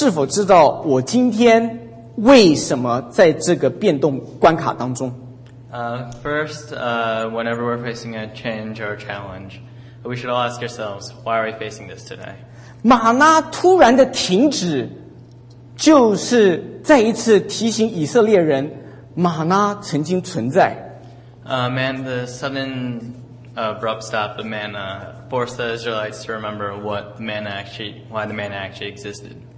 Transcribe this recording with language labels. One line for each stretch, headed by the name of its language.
Chinese: 第一个，当我们面对变动的时候，我们要问自己一件事情：我是否知道我今天？为什么在这个变动关卡当中？
English: Whenever we're facing a change or a challenge, we should all ask ourselves, why are we facing this today?
Chinese: 玛拿突然的停止，就是再一次提醒以色列人，玛拿曾经存在。
English: Man, the sudden abrupt stop of manna forced the Israelites to remember why the manna actually existed.